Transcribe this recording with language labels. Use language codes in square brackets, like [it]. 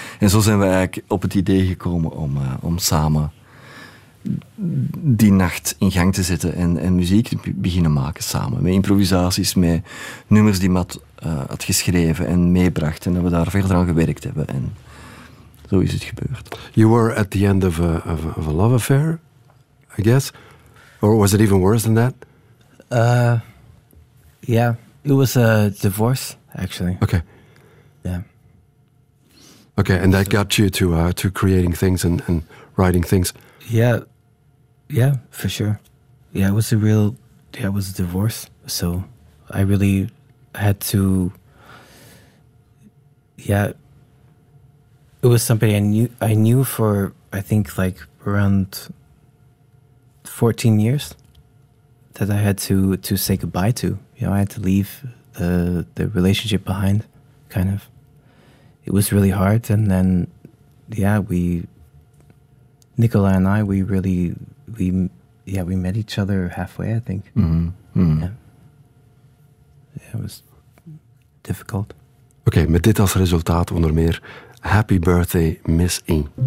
[nl] En zo zijn we eigenlijk op het idee gekomen om samen die nacht in gang te zetten en muziek te beginnen maken samen. Met improvisaties, met nummers die Matt had geschreven en meebracht. En dat we daar verder aan gewerkt hebben. En zo is het gebeurd. [en] You were at the end of a love affair, I guess. Or was it even worse than that? Yeah, it was a divorce, actually. Okay. Yeah. Okay, and that got you to creating things and writing things. Yeah, for sure. Yeah, it was a divorce. So I really had to, yeah, it was somebody I knew for, I think, like around 14 years that I had to say goodbye to. You know, I had to leave the relationship behind, kind of. It was really hard. And then, yeah, Nicola and I, we met each other halfway, I think. Mm-hmm. Mm-hmm. Yeah. Yeah, it was difficult. [nl] Okay, met dit als resultaat onder meer, Happy Birthday, Miss E.